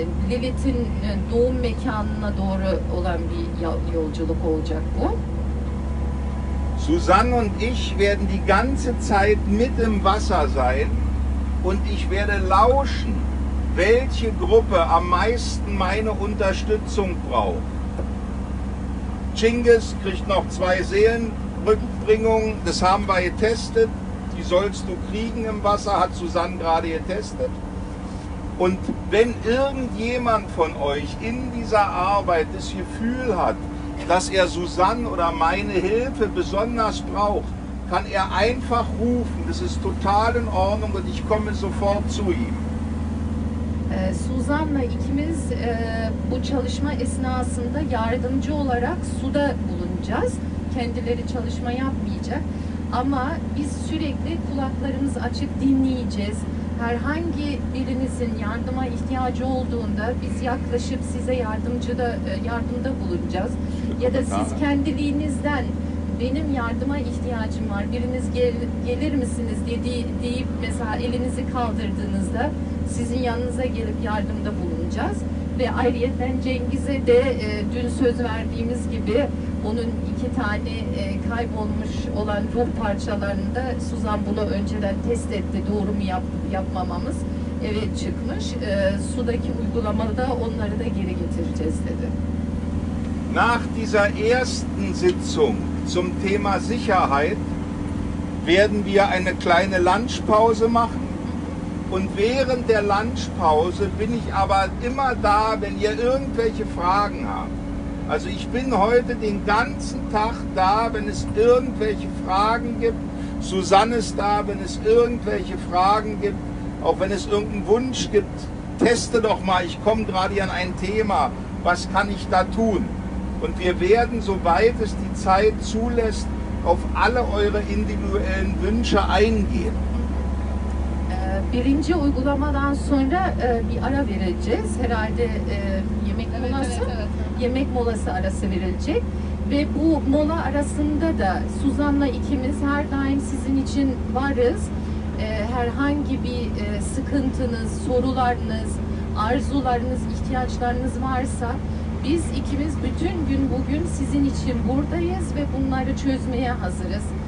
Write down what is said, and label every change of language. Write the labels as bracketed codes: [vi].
[tr] Lilith'in doğum mekanına doğru olan bir yolculuk olacak bu. [de] Susanne und ich werden die ganze Zeit mit im Wasser sein und ich werde lauschen, welche Gruppe am meisten meine Unterstützung braucht. Chinggis kriegt noch 2 Seelenrückbringungen, das haben wir getestet, die sollst du kriegen im Wasser, hat Susanne gerade getestet. Und wenn irgendjemand von euch in dieser Arbeit das Gefühl hat, dass er Susanne oder meine Hilfe besonders braucht, kann er einfach rufen. Das ist total in Ordnung und ich komme sofort zu ihm. [tr] Suzan'la ikimiz bu çalışma esnasında yardımcı olarak suda bulunacağız. Kendileri çalışma yapmayacak. Ama biz sürekli kulaklarımız açık dinleyeceğiz. Herhangi birinizin yardıma ihtiyacı olduğunda biz yaklaşıp size yardımda bulunacağız. Ya da siz kendiliğinizden benim yardıma ihtiyacım var, biriniz gelir misiniz deyip mesela elinizi kaldırdığınızda sizin yanınıza gelip yardımda bulunacağız. Ve ayrıyeten Cengiz'e de dün söz verdiğimiz gibi onun iki tane kaybolmuş olan ruh parçalarını da Suzan bunu önceden test etti, doğru mu yapmamamız. Evet çıkmış, sudaki uygulamada onları da geri getireceğiz dedi. [de] Nach dieser ersten Sitzung zum Thema Sicherheit werden wir eine kleine Lunchpause machen. Und während der Lunchpause bin ich aber immer da, wenn ihr irgendwelche Fragen habt. Also ich bin heute den ganzen Tag da, wenn es irgendwelche Fragen gibt. Susanne ist da, wenn es irgendwelche Fragen gibt. Auch wenn es irgendeinen Wunsch gibt, teste doch mal, ich komme gerade hier an ein Thema. Was kann ich da tun? Und wir werden, soweit es die Zeit zulässt, auf alle eure individuellen Wünsche eingehen. [tr] Birinci uygulamadan sonra bir ara vereceğiz. Herhalde yemek molası, yemek molası arası verilecek. Ve bu mola arasında da Suzan'la ikimiz her daim sizin için varız. Herhangi bir sıkıntınız, sorularınız, arzularınız, ihtiyaçlarınız varsa biz ikimiz bütün gün bugün sizin için buradayız ve bunları çözmeye hazırız.